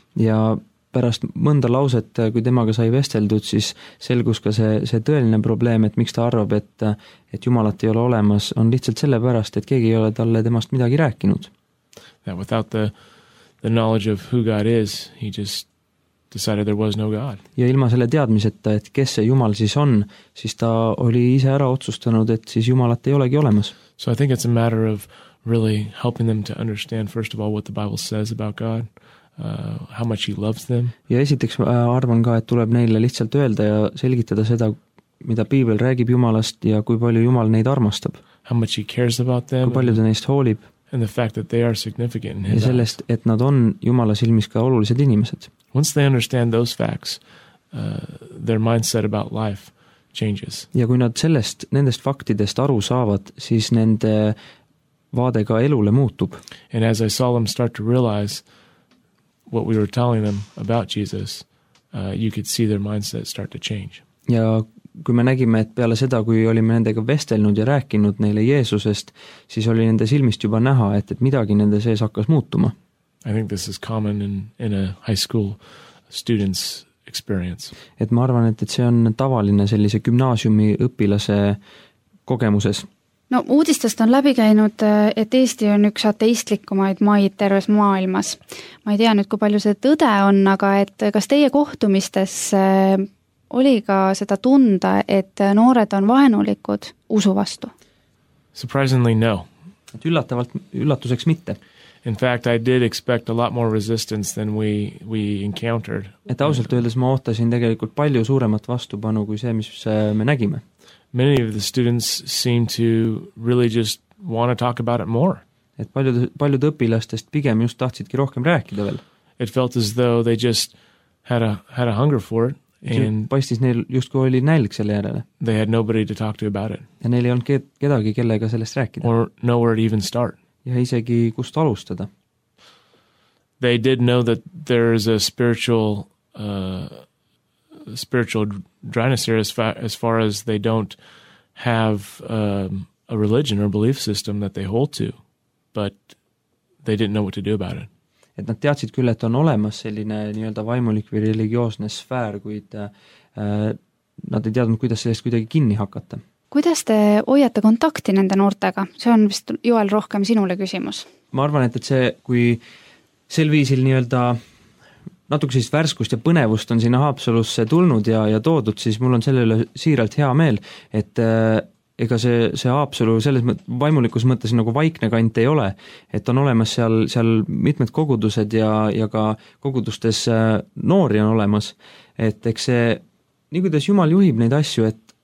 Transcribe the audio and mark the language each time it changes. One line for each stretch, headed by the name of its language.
Estonian: Ja pärast mõnda lauset, kui temaga sai vesteldud, siis selgus ka see tõeline probleem, et miks ta arvab, et Jumalat ei ole olemas, on lihtsalt sellepärast, et keegi ei ole talle temast midagi rääkinud.
English: That without the knowledge of who God is, he just decided there was no God.
Estonian: Ja ilma selle teadmiseta, et kes see Jumal siis on, siis ta oli ise ära otsustanud, et siis Jumalat ei olegi olemas.
English: So I think it's a matter of really helping them to understand first of all what the Bible says about God. How much he loves them.
Estonian: Ja esiteks arvan ka, et tuleb neile lihtsalt öelda ja selgitada seda, mida Piibel räägib Jumalast ja kui palju Jumal neid armastab.
English: How much he cares about them.
Estonian: Kui palju ta neist hoolib.
English: And the fact that they are significant in his eyes.
Estonian: Ja sellest, et nad on Jumala silmis ka olulised inimesed.
English: Once they understand those facts, their mindset about life changes.
Estonian: Ja kui nad sellest, nendest faktidest aru saavad, siis nende vaade ka elule muutub.
English: And as I saw them start to realize what we were telling them about Jesus, you could see their mindset start to change.
Estonian: Ja kui me nägime, et peale seda, kui olime nendega vestelnud ja rääkinud neile Jeesusest, siis oli nende silmist juba näha, et midagi nende sees hakkas muutuma.
English: I think this is common in a high school student's experience.
Estonian: Et ma arvan, et see on tavaline sellise gümnaasiumi õpilase kogemuses. No uudistest on läbi käinud, et Eesti on üks ateistlikumaid maid terves maailmas. Ma ei tea nüüd, kui palju see tõde on, aga et kas teie kohtumistes oli ka seda tunda, et noored on vaenulikud usu vastu?
English: Surprisingly no.
Estonian: Et üllatuseks mitte.
English: In fact, I did expect a lot more resistance than we encountered.
Estonian: Et ausalt öeldes ma ootasin tegelikult palju suuremat vastupanu kui see, mis me nägime.
English: Many of the students seem to really just want to talk about it more.
Estonian: Et paljud õpilastest pigem just tahtsidki rohkem rääkida veel.
English: It felt as though they just had a hunger for it. And
Estonian: paistis neil just kui oli näilik selle järele.
English: They had nobody to talk to about it.
Estonian: Ja neil ei olnud kedagi kellega sellest rääkida.
English: Or nowhere to even start.
Estonian: Ja isegi kust alustada.
English: They did know that there is a spiritual dryness here as far as they don't have a religion or belief system that they hold to, but they didn't know what to do about it.
Estonian: et nad teadsid küll, et on olemas selline nii-öelda vaimulik või religioosne sfäär, kuid nad ei teadnud, kuidas sellest kuidagi kinni hakata. Kuidas te hoiate kontakti nende noortega? See on vist Joel rohkem sinule küsimus. Ma arvan, et see, kui sel viisil nii-öelda natuke siis värskust ja põnevust on siin Haapsalusse tulnud ja toodud, siis mul on sellele siiralt hea meel, et ega see Haapsalu selles vaimulikus mõttes nagu vaikne kant ei ole, et on olemas seal mitmed kogudused ja ka kogudustes noori on olemas, et eks see, nii kuidas Jumal juhib neid asju, et